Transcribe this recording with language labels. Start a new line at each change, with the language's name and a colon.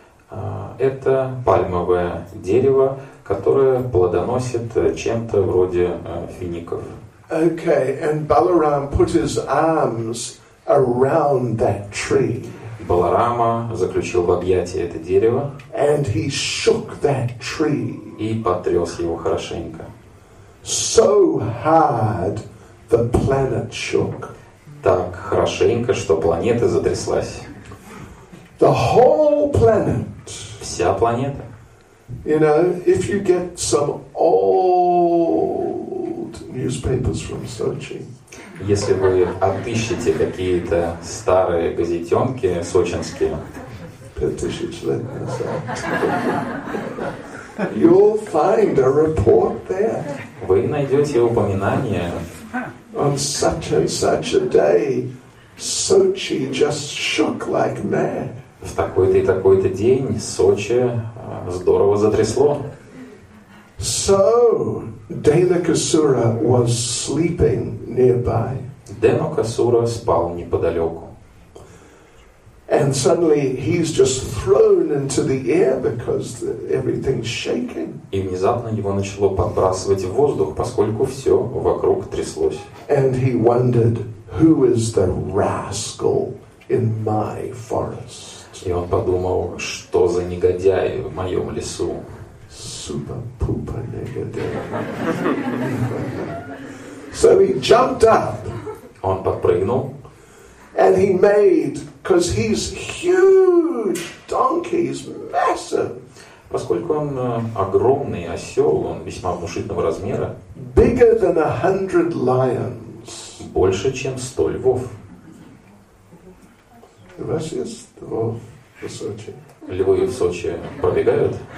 Russian: Это пальмовое дерево, которое плодоносит чем-то вроде фиников.
English: Okay, and Balaram put his arms around that tree.
Russian: Баларама заключил в объятия это дерево.
English: And he shook that tree.
Russian: И потряс его хорошенько.
English: So hard The planet shook.
Russian: Так хорошенько, что планета затряслась.
English: The whole planet.
Russian: Вся планета.
English: You know, if you get some old newspapers from Sochi.
Russian: Если вы отыщете какие-то старые газетенки сочинские, 5000 лет назад,
English: you'll find a report there.
Russian: Вы найдете упоминание.
English: On such and such a day, Sochi just shook like mad.
Russian: В такой-то и такой-то день Сочи здорово затрясло.
English: So, Deinakasura was sleeping nearby.
Russian: Deinakasura спал неподалеку.
English: And suddenly he's just thrown into the air because everything's shaking.
Russian: И внезапно его начало подбрасывать в воздух, поскольку все вокруг тряслось.
English: And he wondered, who is the rascal in my forest?
Russian: И он подумал, что за негодяй в моем лесу.
English: Super-pooper negative. So he jumped up.
Russian: Он подпрыгнул.
English: And he made, because he's huge donkey, he's massive.
Russian: Поскольку он огромный осел, он весьма внушительного размера.
English: Bigger than 100 lions.
Russian: Больше, чем 100 львов. У вас есть львов в Сочи? Львы в Сочи пробегают?